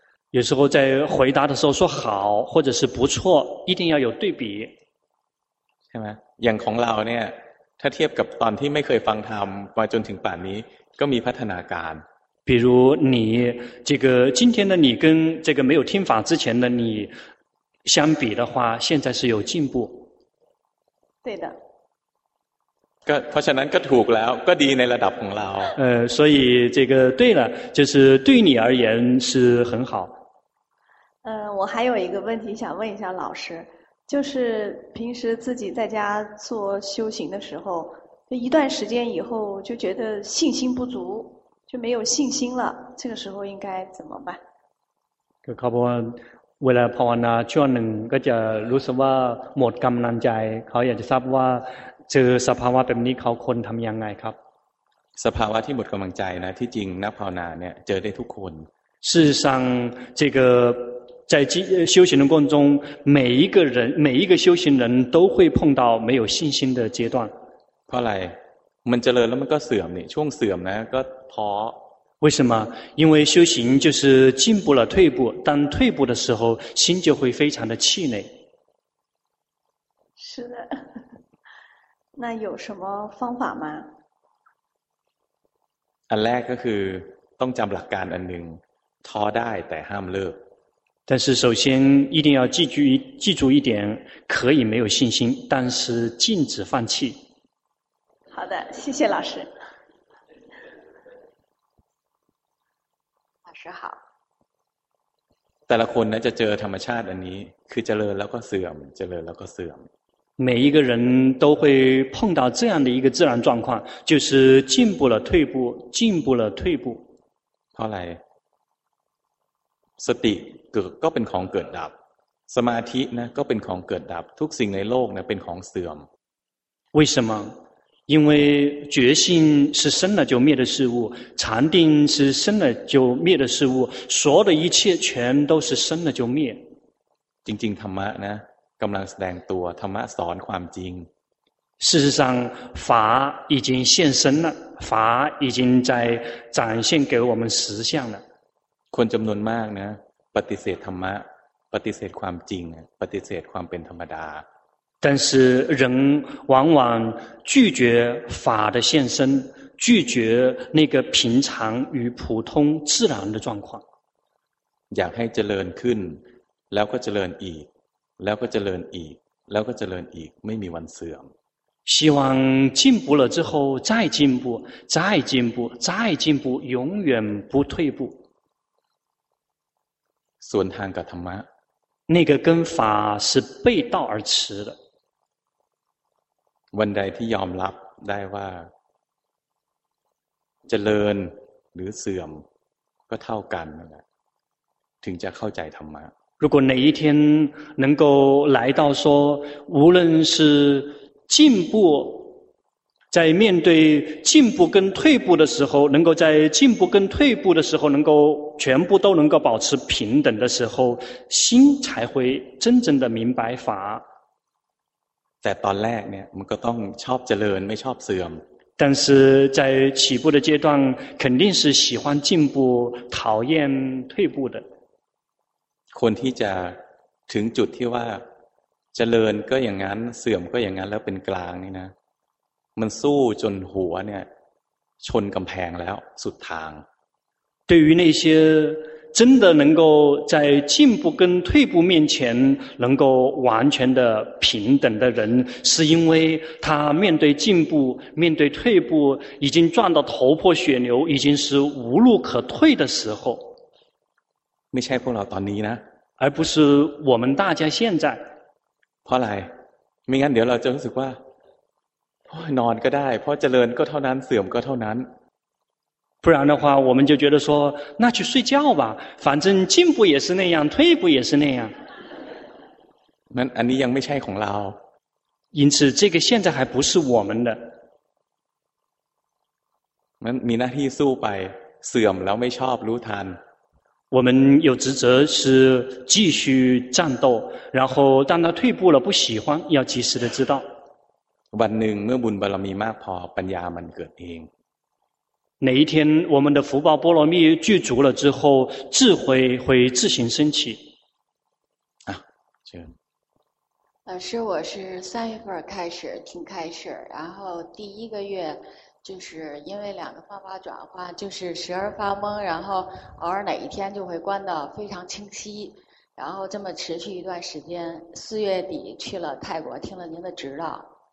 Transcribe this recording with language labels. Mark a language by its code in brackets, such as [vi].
[zh] 有时候在回答的时候说好或者是不错一定要有对比 [th] ใช่ไหมอย่างของเราเนี่ยถ้าเทียบกับตอนที่ไม่เคยฟังธรรมมาจนถึงป่านนี้ก็มีพัฒนาการ [zh] 比如你这个今天的你跟这个没有听法之前的你相比的话现在是有进步对的 [th] ก็เพราะฉะนั้นก็ถูกแล้วก็ดีในระดับของเรา [zh] 所以这个对了就是对你而言是很好我还有一个问题想问一下老师就是平时自己在家做修行的时候一段时间以后就觉得信心不足就没有信心了这个时候应该怎么办 [th] ครับ เวลาภาวนาช่วงหนึ่งก็จะรู้สึกว่าหมดกำลังใจเขาอยากจะทราบว่าเจอสภาวะแบบนี้เขาคนทำยังไงครับ สภาวะที่หมดกำลังใจนะที่จริงนักภาวนาเนี่ยเจอได้ทุกคน [zh] 事实上这个在修行的过程中每一个人每一个修行人都会碰到没有信心的阶段 [th] เพราะอะไรมันเจริญแล้วมันก็เสื่อมนี่ช่วงเสื่อมนะก็ท้อ [zh] 为什么因为修行就是进步了退步当退步的时候心就会非常的气馁是的那有什么方法吗 [th] อันแรกก็คือต้องจำหลักการอันหนึ่งท้อได้แต่ห้ามเลิก [zh] 但是首先一定要记住一点可以没有信心但是禁止放弃好的谢谢老师 [th] แต่ละคนนะจะเจอธรรมชาติอันนี้คือเจริญแล้วก็เสื่อมเจริญแล้วก็เสื่อม [zh] 每一个人都会碰到这样的一个自然状况就是进步了退步进步了退步 [th] เพราะอะไรสติเกิดก็เป็นของเกิดดับสมาธินะก็เป็นของเกิดดับทุกสิ่งในโลกนะเป็นของเสื่อม [zh] 为什么因为觉性是生了就灭的事物禅定是生了就灭的事物所有的一切全都是生了就灭 [th] จริงๆธรรมะนะกำลังแสดงตัวธรรมะสอนความจริง [zh] 事实上法已经现身了法已经在展现给我们实相了 [th] คนจำนวนมากนะปฏิเสธธรรมะปฏิเสธความจริงปฏิเสธความเป็นธรรมดา [zh] 但是人往往拒绝法的现身拒绝那个平常与普通自然的状况 [th] อยากให้เจริญขึ้นแล้วก็เจริญอีกแล้วก็เจริญอีกแล้วก็เจริญอีกไม่มีวันเสื่อม [zh] 希望进步了之后再进步再进步再进步永远不退步 [th] ส่วนทางกับธรรมะ [zh] 那个跟法是背道而驰的 [th] วันใดที่ยอมรับได้ว่าเจริญหรือเสื่อมก็เท่ากันนั่นแหละถึงจะเข้าใจธรรมะ [zh] 如果哪一天能够来到说无论是进步在面对进步跟退步的时候能够在进步跟退步的时候能够全部都能够保持平等的时候心才会真正的明白法 [th] แต่ตอนแรกเนี่ยมันก็ต้องชอบเจริญไม่ชอบเสื่อม [zh] 但是在起步的阶段肯定是喜欢进步讨厌退步的 [th] คนที่จะถึงจุดที่ว่าเจริญก็อย่างนั้นเสื่อมก็อย่างนั้นแล้วเป็นกลางนี่นะมันสู้จนหัวเนี่ยชนกำแพงแล้วสุดทาง [zh] 对于那些真的能够在进步跟退步面前能够完全的平等的人是因为他面对进步面对退步已经撞到头破血流已经是无路可退的时候 [th] ไม่ใช่พวกเราตอนนี้นะ [zh] 而不是我们大家现在 [th] เพราะอะไรไม่งั้นเดี๋ยวเราจะรู้สึกว่านอนก็ได้เพราะเจริญก็เท่านั้นเสื่อมก็เท่านั้น [zh] 不然的话我们就觉得说那去睡觉吧反正进步也是那样退步也是那样 [th] 那อันนี้ยังไม่ใช่ของเรา [zh] 因此这个现在还不是我们的 [th] มันมีหน้าที่สู้ไปเสื่อมแล้วไม่ชอบรู้ทัน [zh] 我们有职责是继续战斗然后当他退步了不喜欢要及时的知道 [th] วันหนึ่งเมื่อบุญบารมีมากพอปัญญามันเกิดเอง ในอีกที [zh] 我们的福报波罗蜜具足了之后智慧会自行升起啊这样老师我是三月份开始听开始然后第一个月就是因为两个方法转化就是时而发懵然后偶尔哪一天就会观得非常清晰然后这么持续一段时间四月底去了泰国听了您的指导